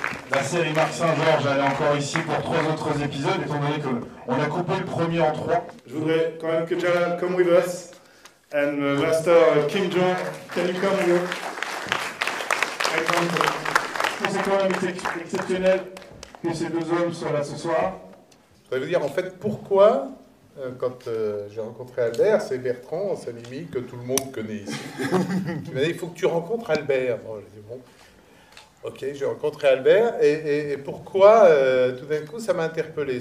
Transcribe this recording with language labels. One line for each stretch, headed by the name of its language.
French: Marc Saint-Georges, elle est encore ici pour trois autres épisodes, étant donné qu'on a coupé le premier en trois. Je voudrais quand même que Jalal
English: come with us. And Master Kim Jong, can you come with us?
French: C'est quand même exceptionnel que ces deux hommes soient là ce soir. Je voudrais vous dire en fait pourquoi, quand j'ai rencontré Albert, c'est Bertrand, sa mimique que tout le monde connaît ici. Tu m'as dit, il faut que tu rencontres Albert. Bon, j'ai dit, bon. Ok, j'ai rencontré Albert, et pourquoi tout d'un coup ça m'a interpellé?